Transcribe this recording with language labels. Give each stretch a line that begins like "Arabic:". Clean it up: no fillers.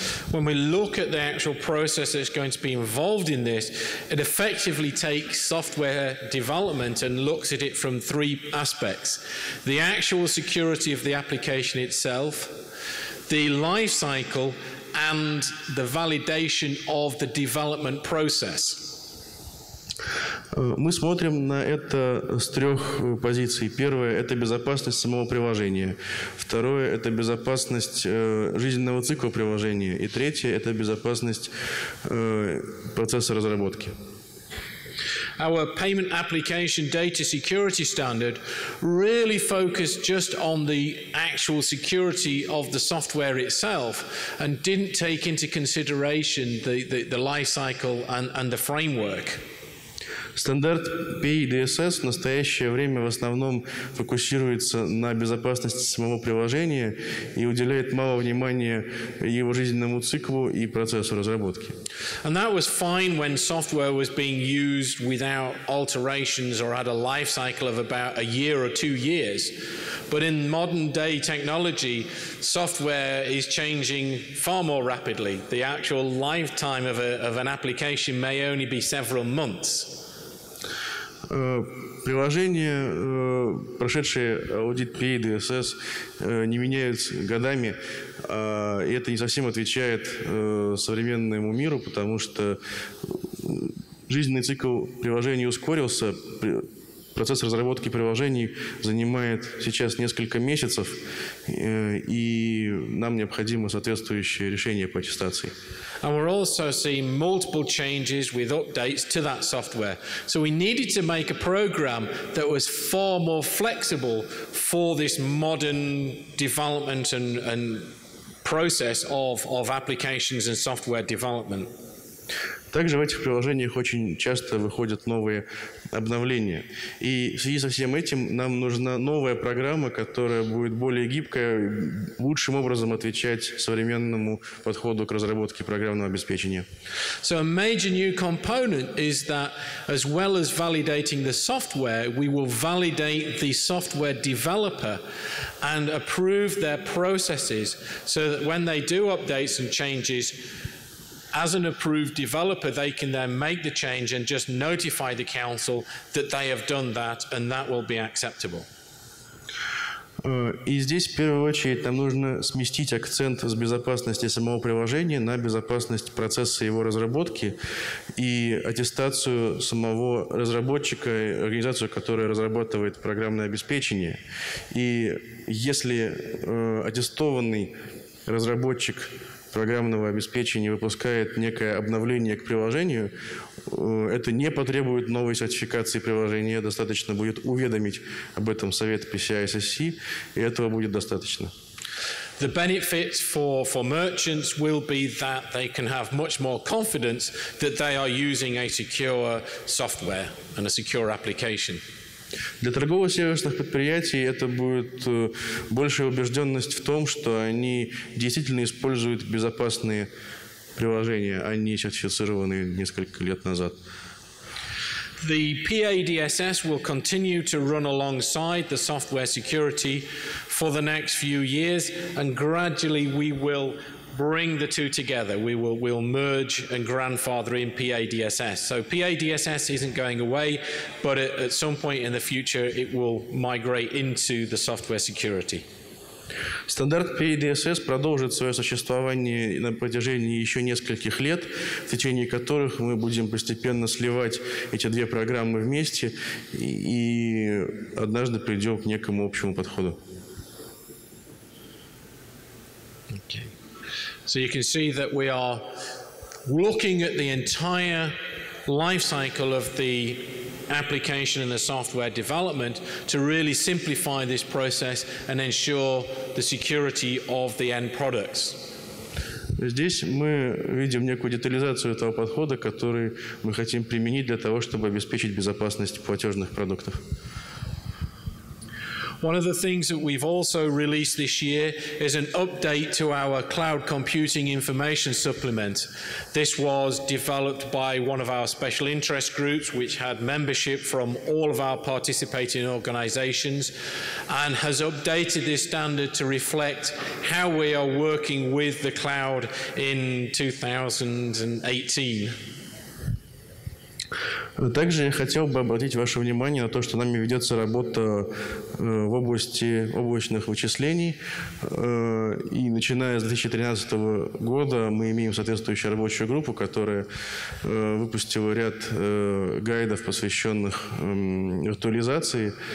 English: When we look at the actual process that's going to be involved in this, it effectively takes software development and looks at it from three aspects. The actual security of the application itself, the life cycle, and the validation of the development process.
Russian: Мы смотрим на это с трех позиций. Первое – это безопасность самого приложения. Второе – это безопасность жизненного цикла приложения. И третье – это безопасность процесса разработки.
English: Our payment application data security standard really focused just on the actual security of the software itself and didn't take into consideration the life cycle and the framework.
Russian: Стандарт PDSS в настоящее время в основном фокусируется на безопасности самого приложения и уделяет мало внимания его жизненному циклу и процессу разработки.
English: And that was fine when software was being used without alterations or had a life cycle of about a year or two years. But in modern day technology, software is changing far more rapidly. The actual lifetime of an application may only be several months.
Russian: Приложения, прошедшие аудит PDSS, не меняются годами, и это не совсем отвечает современному миру, потому что жизненный цикл приложений ускорился, процесс разработки приложений занимает сейчас несколько месяцев, и нам необходимо соответствующее решение по аттестации.
English: And we're also seeing multiple changes with updates to that software. So we needed to make a program that was far more flexible for this modern development and process of applications and software development.
Russian: Также в этих приложениях очень часто выходят новые обновления. И в связи со всем этим нам нужна новая программа, которая будет более гибкая, лучшим образом отвечать современному подходу к разработке программного обеспечения.
English: So a major new component is that as well as validating the software, we will validate the software developer and approve their processes so that when they do updates and changes, as an approved developer, they can then make the change and just notify the council that they have done that, and that will be acceptable.
Russian: И здесь, в первую очередь, нам нужно сместить акцент с безопасности самого приложения на безопасность процесса его разработки и аттестацию самого разработчика, организацию, которая разрабатывает программное обеспечение. И если аттестованный разработчик программного обеспечения выпускает некое обновление к приложению, это не потребует новой сертификации приложения, достаточно будет уведомить об этом Совет PCI SSC, и этого будет достаточно.
English: The benefits for merchants will be that they can have much more confidence that they are using a secure software and a secure application.
Russian: Для торгово-сервисных предприятий это будет большая убежденность в том, что они действительно используют безопасные приложения, а не сертифицированные несколько лет назад.
English: The PADSS will continue to run alongside the software security for the next few years, and gradually we will bring the two together. We'll merge and grandfather in PADSS. So PADSS isn't going away, but at some point in the future it will migrate into the software security.
Russian: Стандарт PADSS продолжит свое существование на протяжении еще нескольких лет, в течение которых мы будем постепенно сливать эти две программы вместе и однажды придем к некому общему подходу.
English: So you can see that we are looking at the entire life cycle of the application and the software development to really simplify this process and ensure the security of the end products.
Russian: Здесь мы видим некую детализацию этого подхода, который мы хотим применить для того, чтобы обеспечить безопасность платежных продуктов.
English: One of the things that we've also released this year is an update to our cloud computing information supplement. This was developed by one of our special interest groups, which had membership from all of our participating organizations, and has updated this standard to reflect how we are working with the cloud in 2018.
Russian: Также я хотел бы обратить ваше внимание на то, что нами ведется работа в области облачных вычислений. И начиная с 2013 года мы имеем соответствующую рабочую группу, которая выпустила ряд гайдов, посвященных виртуализации.